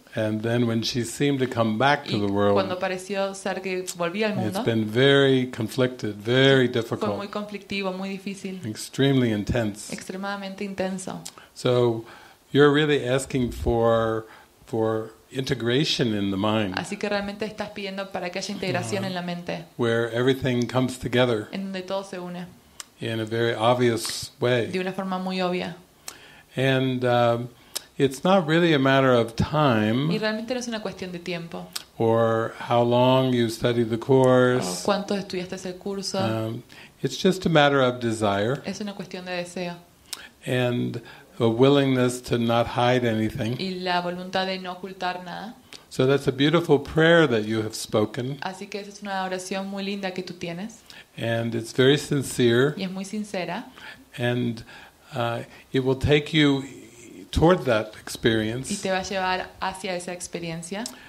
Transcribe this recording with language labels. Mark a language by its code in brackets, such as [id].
[en] And then, when she seemed to come back to the world, [es] cuando pareció ser que volvía al mundo, [en] it's been very conflicted, very difficult. [es] Fue muy conflictivo, muy difícil. [en] Extremely intense. [es] Extremadamente intenso. [en] So, You're really asking for integration in the mind. [es] Así que realmente estás pidiendo para que haya integración en la mente. [en] Where everything comes together. [es] En donde todo se une. [en] In a very obvious way. [es] De una forma muy obvia. [en] And it's not really a matter of time. [es] Y realmente no es una cuestión de tiempo. [en] Or how long you study the course. [es] O cuánto estudiaste el curso. [en] It's just a matter of desire. [es] Es una cuestión de deseo. [en] And a willingness to not hide anything. [es] Y la voluntad de no ocultar nada. [en] So that's a beautiful prayer that you have spoken. [es] Así que esa es una oración muy linda que tú tienes. [en] And it's very sincere. [es] Y es muy sincera. [en] And it will take you toward that experience. [es] Y te va a llevar hacia esa experiencia.